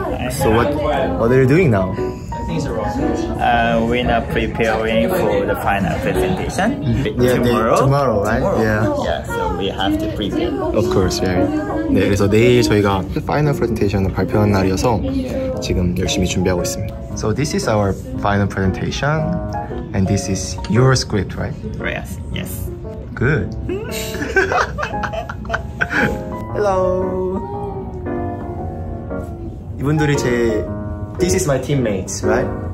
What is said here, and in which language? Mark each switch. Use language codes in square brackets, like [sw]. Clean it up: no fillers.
[en] So what are you doing now? We're now preparing for the final presentation. Yeah, tomorrow, right? Tomorrow. Yeah. Yeah, so we have to prepare. Of course, yeah. [ko] 네, 그래서 내일 저희가 final presentation을 발표하는 날이어서 지금 열심히 준비하고 있습니다. [en] So this is our final presentation, and this is your script, right? Yes, yes. Good. Hello. [ko] 이분들이 제 [en] This is my teammates, right?